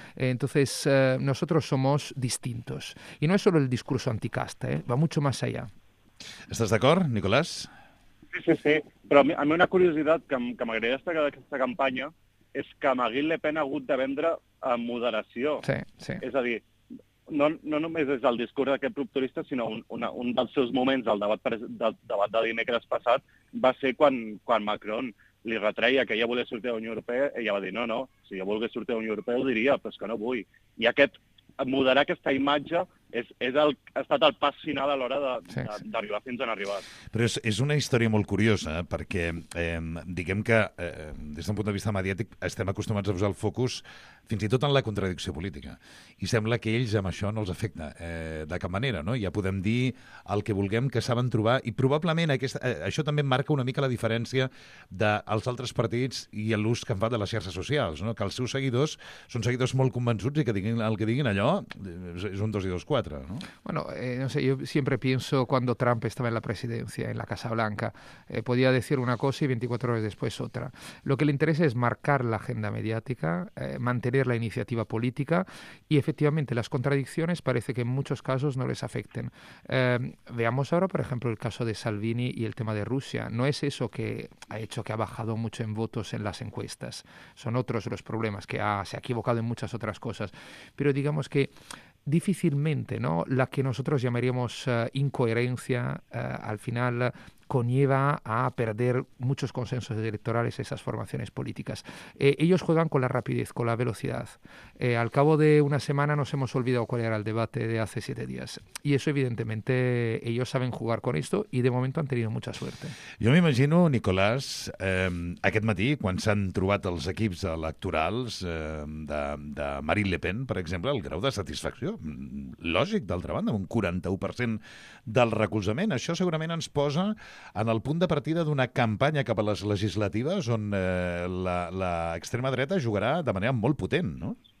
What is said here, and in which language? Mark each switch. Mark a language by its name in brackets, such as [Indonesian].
[Spanish] Entonces, nosotros somos distintos. Y no es solo el discurso anticasta, va mucho más allá. ¿Estás de acuerdo, Nicolás? Sí, sí, sí. Pero a mí una curiosidad que me agrada destacar de esta campaña [Catalan] és que a Marine Le Pen ha hagut de vendre amb moderació. [Spanish] Sí, sí. [Catalan] És a dir, no només és el discurs d'aquest rupturista, sinó un dels seus moments del debat de dimecres passat va ser quan Macron li retreia que ella volia sortir de la Unió Europea, ella va dir no, si jo volgués sortir de la Unió Europea ho diria, però és que no vull. I aquest moderar aquesta imatge ha estat el pas final a l'hora d'arribar fins on ha arribat. Però és una història molt curiosa, perquè diguem que des d'un punt de vista mediàtic estem acostumats a posar el focus fins i tot en la contradicció política. I sembla que ells amb això no els afecta de cap manera, no? Ja podem dir el que vulguem que saben trobar, i probablement això també marca una mica la diferència dels altres partits i l'ús que en fa de les xarxes socials, no? Que els seus seguidors són seguidors molt convençuts i que diguin el que diguin allò és un 2 y 2, 4, ¿no? [Spanish] Bueno, no sé, yo siempre pienso cuando Trump estaba en la presidencia, en la Casa Blanca, podía decir una cosa y 24 horas después otra. Lo que le interesa es marcar la agenda mediática, mantener la iniciativa política, y efectivamente las contradicciones parece que en muchos casos no les afecten. Veamos ahora, por ejemplo, el caso de Salvini y el tema de Rusia. No es eso que ha hecho que ha bajado mucho en votos en las encuestas. Son otros los problemas, que se ha equivocado en muchas otras cosas. Pero digamos que difícilmente, ¿no? La que nosotros llamaríamos incoherencia, al final conlleva a perder muchos consensos electorales esas formaciones políticas. Ellos juegan con la rapidez, con la velocidad. Al cabo de una semana nos hemos olvidado cuál era el debate de hace 7 días. Y eso, evidentemente, ellos saben jugar con esto y de momento han tenido mucha suerte. [Catalan] Jo m'imagino, Nicolás, aquest matí, quan s'han trobat els equips electorals de Marine Le Pen, per exemple, el grau de satisfacció, lògic, d'altra banda, un 41% del recolzament. Això segurament ens posa en el punt de partida d'una campanya cap a les legislatives on l'extrema dreta jugarà de manera molt potent, no?